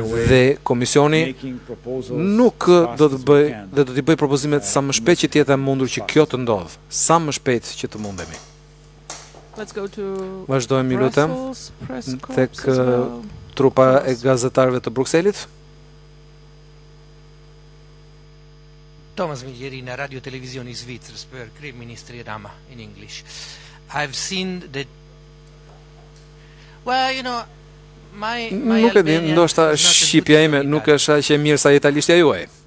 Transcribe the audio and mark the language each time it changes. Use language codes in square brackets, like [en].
[sq] Dhe komisioni nuk do të bëj dhe do t'i bëj propozimet sa më shpejt që të jetë e mundur që kjo të ndodh, sa më shpejt që të mundemi. [en] Let's go to [sq] Vazhdojmë lutem tek trupa e gazetarëve të Brukselit. Thomas Miglieri në Radio Televizioni Zvicrës për Kryeministri Rama [en] in English. I've seen that Well, you know, [sq] Nuk e di, ndoshta shqipja ime nuk është aq e mirë sa italishtja juaj.